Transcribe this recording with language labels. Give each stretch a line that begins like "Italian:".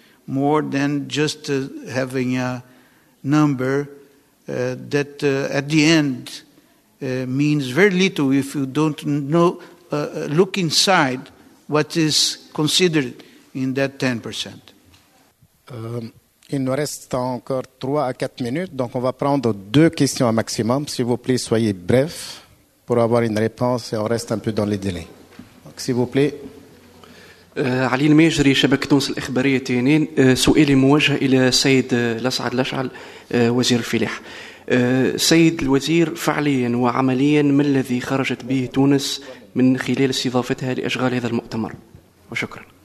English: More than just having a number that at the end means very little if you don't know, look inside what is considered in that 10%.
French: Il nous reste encore 3 à 4 minutes, donc on va prendre 2 questions au maximum. S'il vous plaît, soyez brefs. pour avoir une réponse et on reste un peu dans les délais. Donc, s'il vous plaît.
Arabic: علي المجري شبكة تونس الإخبارية تينين سؤالي موجه إلى السيد الأسعد الأشعل وزير الفلاح. سيد الوزير فعليا وعمليا ما الذي خرجت به تونس من خلال استضافتها لأشغال هذا المؤتمر؟ وشكرا.